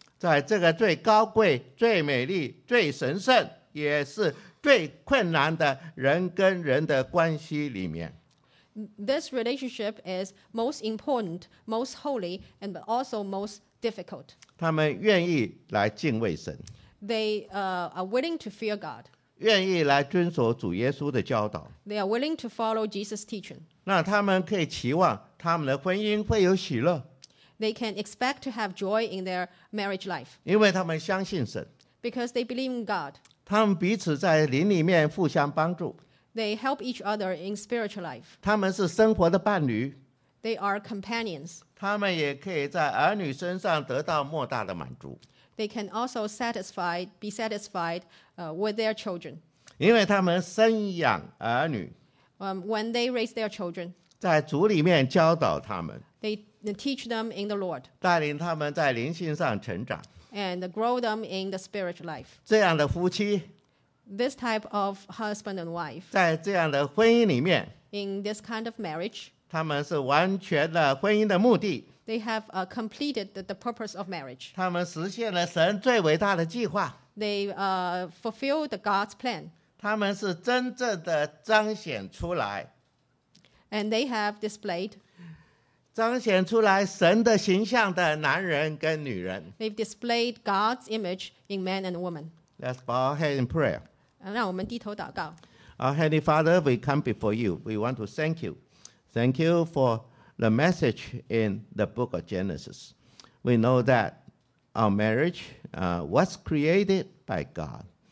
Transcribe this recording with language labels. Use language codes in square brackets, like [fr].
[zh] 在这个最高贵、最美丽、最神圣，也是最困难的人跟人的关系里面 [en] ，This relationship is most important, most holy, and also most difficult。 [zh] 他们愿意来敬畏神 [en] ，They are willing to fear God。 [zh] 愿意来遵守主耶稣的教导。 [en] They are willing to follow Jesus' teaching. [zh] 那他们可以期望他们的婚姻会有喜乐。 [en] They can expect to have joy in their marriage life. [zh] 因为他们相信神。 [en] Because they believe in God. [zh] 他们彼此在灵里面互相帮助。 [en] They help each other in spiritual life. [zh] 他们是生活的伴侣。 [en] They are companions. [zh] 他们也可以在儿女身上得到莫大的满足。 [en] They can also be satisfied with their children. [zh] 因为他们生养儿女。 [en] When they raise their children. [zh] 在主里面教导他们。 [en] They teach them in the Lord. [zh] 带领他们在灵性上成长。 [en] And grow them in the spiritual life. [zh] 这样的夫妻。 [en] This type of husband and wife. [zh] 在这样的婚姻里面。 [en] In this kind of marriage. [zh] 他们是完全的婚姻的目的。 [en] They have completed the purpose of marriage. [zh] 他们实现了神最伟大的计划。 [en] They fulfilled the God's plan. [zh] 他们是真正的彰显出来。 [en] And they have displayed. [zh] 彰显出来神的形象的男人跟女人。 [en] They've displayed God's image in man and woman. Let's bow our head in prayer. [zh] 让我们低头祷告。 [en] Our Heavenly Father, we come before you. We want to thank you. Thank you for... The message in the book of Genesis. We know that our marriage was created by God.